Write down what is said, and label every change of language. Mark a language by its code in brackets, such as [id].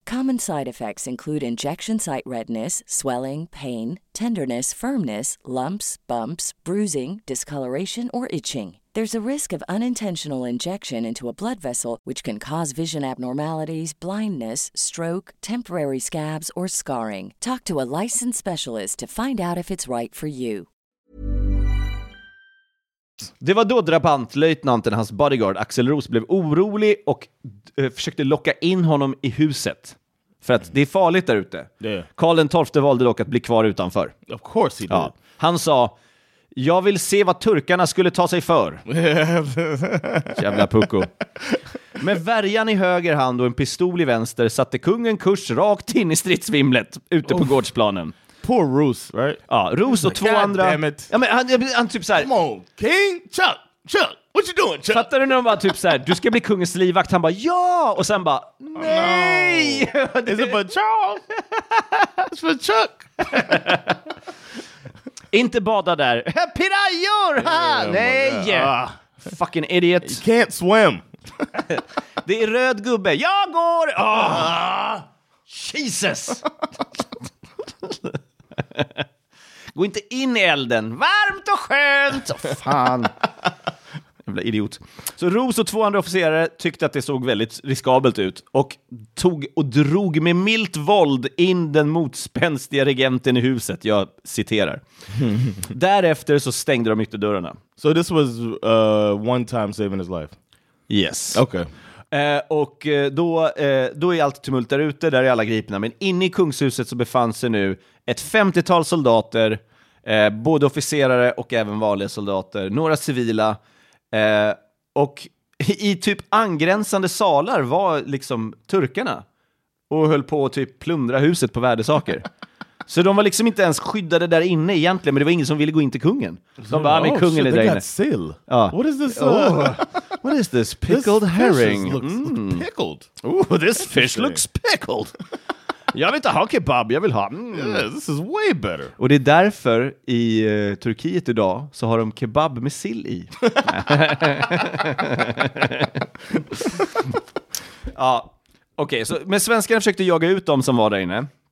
[en] Common side effects include injection site redness, swelling, pain, tenderness, firmness, lumps, bumps, bruising, discoloration, or itching. There's a risk of unintentional injection into a blood vessel, which can cause vision abnormalities, blindness, stroke, temporary scabs, or scarring. Talk to a licensed specialist to find out if it's right for you. [sv] Det var då drabantlöjtnanten, hans bodyguard Axel Ros, blev orolig och försökte locka in honom i huset. För att det är farligt där ute. Karl den 12:e valde dock att bli kvar utanför. [en] Of course he did. Ja. [sv] Han sa, jag vill se vad turkarna skulle ta sig för. Jävla pucko. Med värjan i höger hand och en pistol i vänster satte kungen kurs rakt in i stridsvimlet ute på gårdsplanen. [en] Poor Roos, right? [sv] Ja, Roos och två andra. [en] God damn it. [sv] Ja, men han typ så här, [en] come on, king, Chuck, Chuck, what you doing, Chuck? [sv] Fattar du när de bara typ så här, du ska bli kungens livvakt? Han bara, ja! Och sen bara, nej! [en] Oh, no. Is it for Charles? It's for Chuck! [sv] Inte bada där. Pirajor! [en] Yeah, yeah, [sv] nej! Yeah. [en] Fucking idiot. You can't swim. [sv] Det är röd gubbe. Jag går! [en] Oh, Jesus! [sv] Gå inte in i elden. Varmt och skönt. Oh, fan. Jävla idiot. Så Ros och två andra officerare tyckte att det såg väldigt riskabelt ut och tog och drog med milt våld in den motspänstiga regenten i huset. Jag citerar. Därefter så stängde de ytterdörrarna. [en] So this was one time saving his life. Yes. Okay. [sv] Och då är allt tumult där ute, där är alla gripna. Men inne i kungshuset så befann sig nu ett 50-tal soldater, både officerare och även vanliga soldater, några civila. Och i typ angränsande salar var liksom turkarna och höll på att typ plundra huset på värdesaker. Så de var liksom inte ens skyddade där inne egentligen, men det var ingen som ville gå in till kungen. De bara, med kungen [en] shit, [sv] är där inne. [en] Sill. Ja. What is this? What is this? Pickled this herring. This fish looks pickled. Ooh, this fish looks pickled. [sv] Jag vill inte ha kebab, jag vill ha... [en] Yeah, this is way better. [sv] Och det är därför i Turkiet idag så har de kebab med sill i. Ja, okej. Okay, men svenskarna försökte jaga ut dem som var där inne.